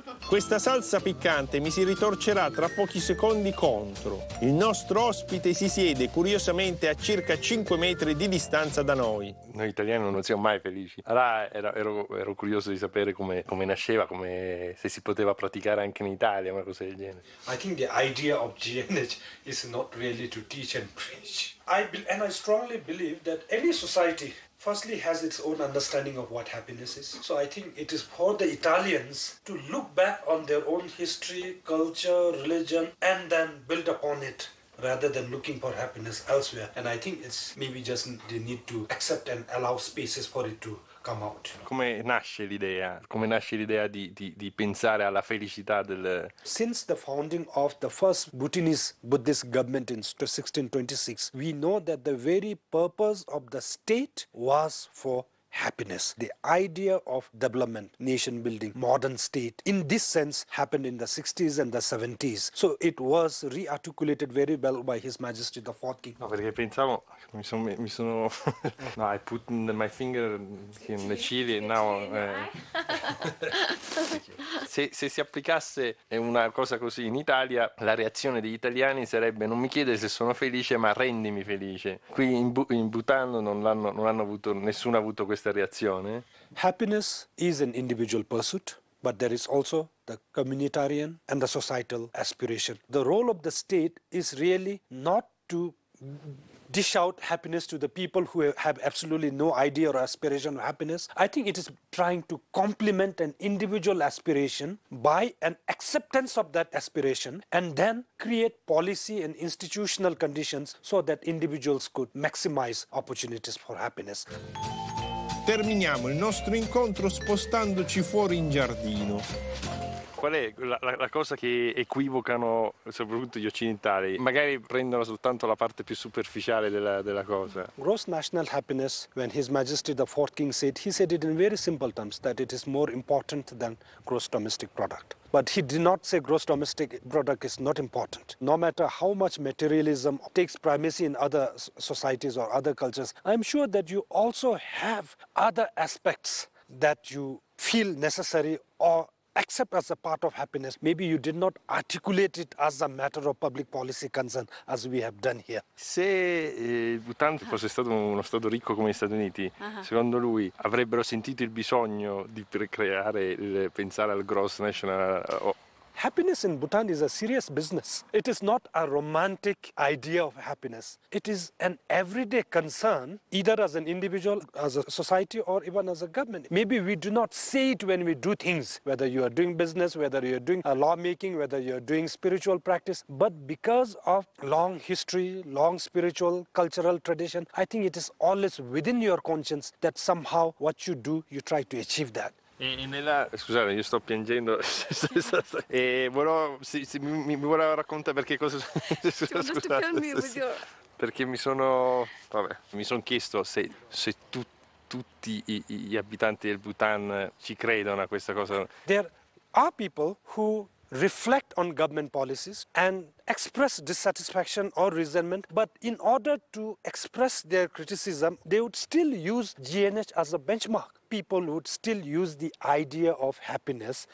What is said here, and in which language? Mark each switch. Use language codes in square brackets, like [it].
[it] Questa salsa piccante mi si ritorcerà tra pochi secondi contro. Il nostro ospite si siede curiosamente a circa 5 metri di distanza da noi. Noi italiani non siamo mai felici. Allora ero curioso di sapere come nasceva, come se si poteva praticare anche in Italia, una cosa del genere. [en] I think the idea of GNH is not really to teach and preach. I strongly believe that any society firstly has its own understanding of what happiness is. So I think it is for the Italians to look back on their own history, culture, religion, and then build upon it rather than looking for happiness elsewhere. And I think it's maybe just the need to accept and allow spaces for it to come out. [it] Come nasce l'idea? Come nasce l'idea di pensare alla felicità del... [en] Since the founding of the first Bhutanese Buddhist government in 1626, we know that the very purpose of the state was for happiness. The idea of development, nation building, modern state, in this sense, happened in the 60s and the 70s. So it was rearticulated very well by His Majesty the Fourth King. [it] No, perché pensavo, mi sono... [en] No, I put in my finger in the chili and now... [it] Se si applicasse una cosa così in Italia, la reazione degli italiani sarebbe non mi chiede se sono felice, ma rendimi felice. Qui in Bhutan nessuno ha avuto questa reazione. [en] Happiness is an individual pursuit, but there is also the communitarian and the societal aspiration. The role of the state is really not to dish out happiness to the people who have absolutely no idea or aspiration of happiness. I think it is trying to complement an individual aspiration by an acceptance of that aspiration and then create policy and institutional conditions so that individuals could maximize opportunities for happiness. [it] Terminiamo il nostro incontro spostandoci fuori in giardino. Qual è la cosa che equivocano soprattutto gli occidentali? Magari prendono soltanto la parte più superficiale della cosa. [en] Gross national happiness, when His Majesty the Fourth King said, he said it in very simple terms that it is more important than gross domestic product. But he did not say gross domestic product is not important. No matter how much materialism takes primacy in other societies or other cultures, I'm sure that you also have other aspects that you feel necessary or accept as a part of happiness. Maybe you did not articulate it as a matter of public policy concern as we have done here. Se Bhutan fosse stato uno stato ricco come gli Stati Uniti, secondo lui avrebbero sentito il bisogno di creare, pensare al gross national. Happiness in Bhutan is a serious business. It is not a romantic idea of happiness. It is an everyday concern, either as an individual, as a society, or even as a government. Maybe we do not say it when we do things, whether you are doing business, whether you are doing a lawmaking, whether you are doing spiritual practice. But because of long history, long spiritual, cultural tradition, I think it is always within your conscience that somehow what you do, you try to achieve that. [it] Scusate, io sto piangendo. E volevo, mi volevo raccontare perché cosa. Scusate, perché mi sono. Vabbè, mi sono chiesto se tutti gli abitanti del Bhutan ci credono a questa cosa. [en] There are people who reflect on government policies and express dissatisfaction or resentment, but in order to express their criticism, they would still use GNH as a benchmark. People would still use the idea of happiness.